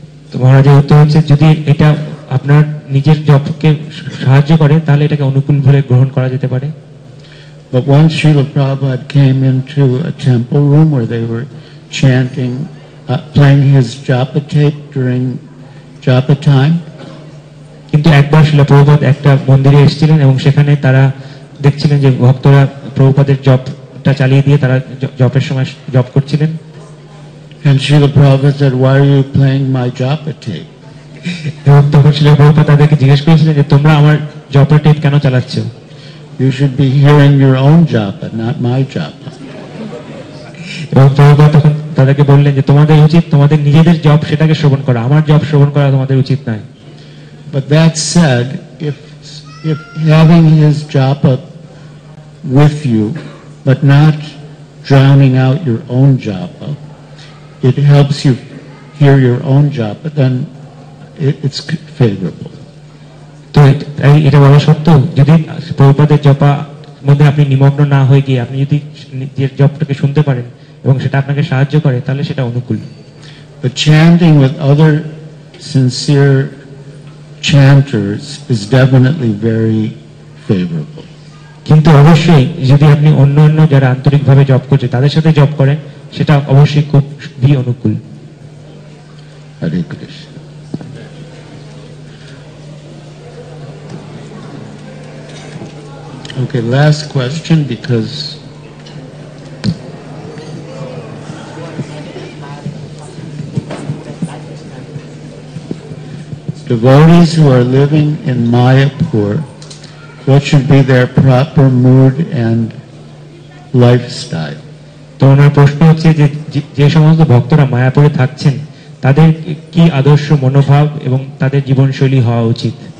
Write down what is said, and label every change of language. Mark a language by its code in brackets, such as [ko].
[bn] তো মহারাজের উত্তর হচ্ছে যদি এটা আপনার নিজের জপকে সাহায্য করে তাহলে এটাকে অনুকূল ভাবে গ্রহণ করা যেতে পারে। [en] But once Srila Prabhupada came into a temple room where they were chanting, playing his japa tape during japa time. [bn] কিন্তু একবার Srila Prabhupada একটা মন্দিরে এসেছিলেন এবং সেখানে তারা দেখছিলেন যে ভক্তরা প্রভুপাদের জপটা চালিয়ে দিয়ে তারা জপের সময় জপ করছিলেন। [en] And Srila Prabhupada said, why are you playing my japa tape? [bn] এবং তখন Srila Prabhupada তাদেরকে জিজ্ঞেস করেছিলেন যে তোমরা আমার জপের টেপ কেন চালাচ্ছ? [en] You should be hearing your own japa, not my japa. [bn] এবং প্রভুপাদ তখন তাদেরকে বললেন যে তোমাদের উচিত তোমাদের নিজেদের জপ সেটাকে শ্রবণ করা, আমার জপ শ্রবণ করা তোমাদের উচিত নয়। [en] But that said, if having his japa with you, but not drowning out your own japa, it helps you hear your own japa, then it's favorable. [bn] এটা বলা সত্য যদি প্রভুপাদের জপা মধ্যে আপনি নিমগ্ন না হয়ে গিয়ে আপনি যদি নিজের জপটাকে শুনতে পারেন এবং সেটা আপনাকে সাহায্য করে তাহলে সেটা অনুকূল। [en] But chanting with other sincere chanters is definitely very favorable. [bn] কিন্তু অবশ্যই যদি আপনি অন্য অন্য যারা আন্তরিকভাবে জপ করছে তাদের সাথে জপ করেন সেটা অবশ্যই খুবই অনুকূল। হরে Krishna. [en] Okay, last question because devotees who are living in Mayapur, what should be their proper mood and lifestyle? [bn] তো ওনার প্রশ্ন হচ্ছে যে যে সমস্ত ভক্তরা মায়াপুরে থাকছেন তাদের কি আদর্শ মনোভাব এবং তাদের জীবনশৈলী হওয়া উচিত?